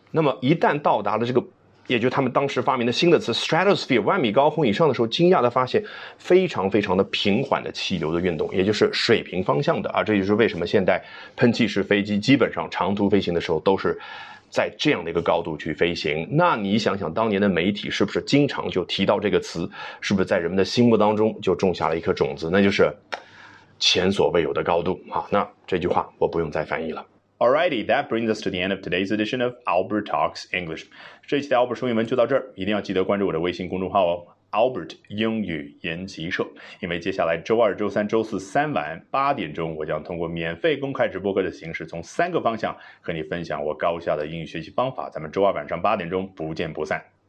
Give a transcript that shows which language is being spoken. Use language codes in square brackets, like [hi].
[zh] 那么一旦到达了这个，也就是他们当时发明的新的词 stratosphere 万米高空以上的时候，惊讶地发现非常非常的平缓的气流的运动，也就是水平方向的啊，这就是为什么现代喷气式飞机基本上长途飞行的时候都是在这样的一个高度去飞行。那你想想当年的媒体是不是经常就提到这个词，是不是在人们的心目当中就种下了一颗种子，那就是前所未有的高度啊。那这句话我不用再翻译了。 [en] Alrighty, that brings us to the end of today's edition of Albert Talks English. [zh] 这期的 Albert 说英文就到这儿，一定要记得关注我的微信公众号哦 ,Albert 英语研习社。因为接下来周二、周三、周四三晚8点，我将通过免费公开直播课的形式，从3个方向和你分享我高效的英语学习方法。咱们周二晚上8点不见不散。